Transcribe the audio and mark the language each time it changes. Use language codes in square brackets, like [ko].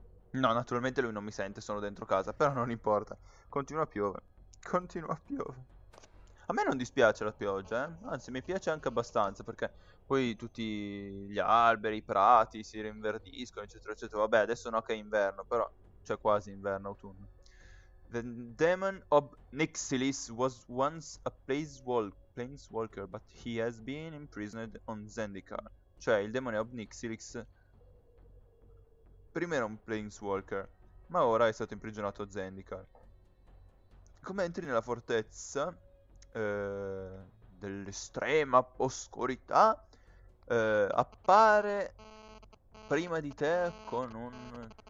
[it] No, naturalmente lui non mi sente, sono dentro casa, però non importa. Continua a piovere. Continua a piovere. A me non dispiace la pioggia, eh. Anzi, mi piace anche abbastanza, perché poi tutti gli alberi, i prati si rinverdiscono, eccetera, eccetera. Vabbè, adesso no che è inverno, però c'è cioè, quasi inverno, autunno. [en] The demon of Nyxilis was once a planeswalker, but he has been imprisoned on Zendikar. [it] Cioè, il demone of Nyxilis prima era un planeswalker, ma ora è stato imprigionato a Zendikar. Come entri nella fortezza dell'estrema oscurità, appare prima di te con un.